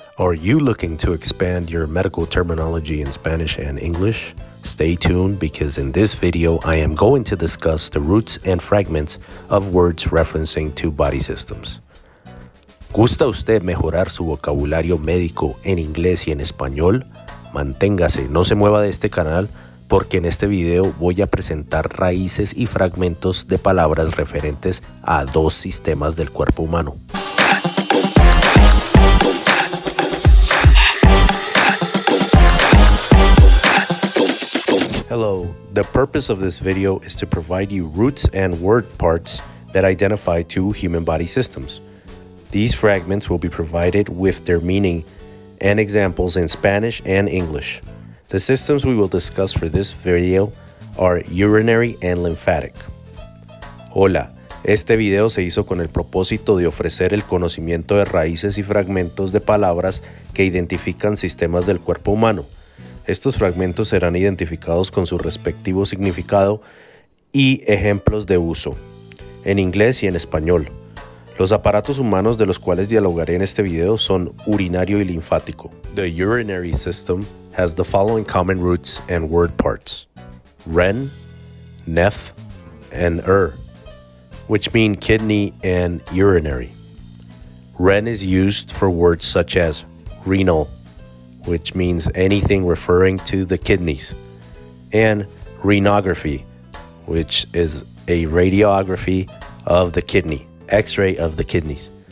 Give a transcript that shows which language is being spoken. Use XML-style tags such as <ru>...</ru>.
<en>Are you looking to expand your medical terminology in Spanish and English? Stay tuned because in this video, I am going to discuss the roots and fragments of words referencing two body systems.</en> <es>¿Gusta usted mejorar su vocabulario médico en inglés y en español? Manténgase, no se mueva de este canal porque en este video voy a presentar raíces y fragmentos de palabras referentes a dos sistemas del cuerpo humano.</es> <en>Hello, the purpose of this video is to provide you roots and word parts that identify two human body systems. These fragments will be provided with their meaning and examples in Spanish and English. The systems we will discuss for this video are urinary and lymphatic.</en> <es>Hola, este video se hizo con el propósito de ofrecer el conocimiento de raíces y fragmentos de palabras que identifican sistemas del cuerpo humano. Estos fragmentos serán identificados con su respectivo significado y ejemplos de uso, en inglés y en español. Los aparatos humanos de los cuales dialogaré en este video son urinario y linfático.</es> <en>The urinary system has the following common roots and word parts. Ren, neph, and ur, which mean kidney and urinary. Ren is used for words such as renal, which means anything referring to the kidneys, and renography, which is a radiography of the kidney, x-ray of the kidneys.</en>